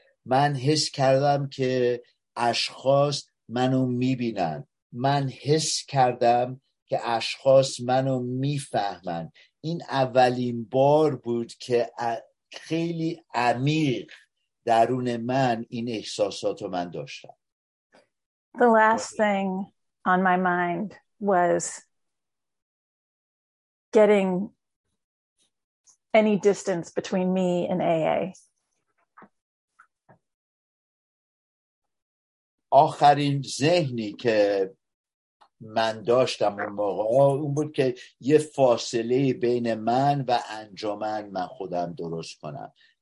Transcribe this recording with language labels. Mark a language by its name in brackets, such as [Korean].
[Persian] من حس کردم که اشخاص منو میبینن، من حس کردم که اشخاص منو میفهمن. این اولین بار بود که خیلی عمیق درون من این احساساتو من داشتم. [English] The last thing on my mind was getting any distance between me and AA. [Persian] آخرین ذهنی که من داشتم اون موقع اون بود که یه فاصله بین من و انجمن من خودم درست کنم.